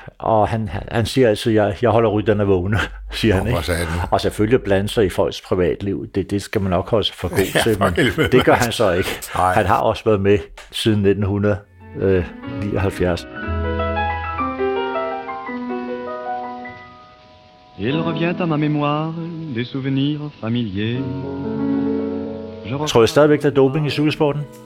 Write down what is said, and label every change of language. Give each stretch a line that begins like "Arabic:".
Danish: Og han siger altså, jeg holder rytterne vågne, siger han. Ikke? Og selvfølgelig blande sig i folks privatliv. Det skal man nok holde sig for god til. For helvede, det gør han så ikke. Nej. Han har også været med siden 1979.
French: Il revient à ma mémoire des souvenirs familiers.
Danish: Je tror jeg stadigvæk, der er doping i cykelsporten?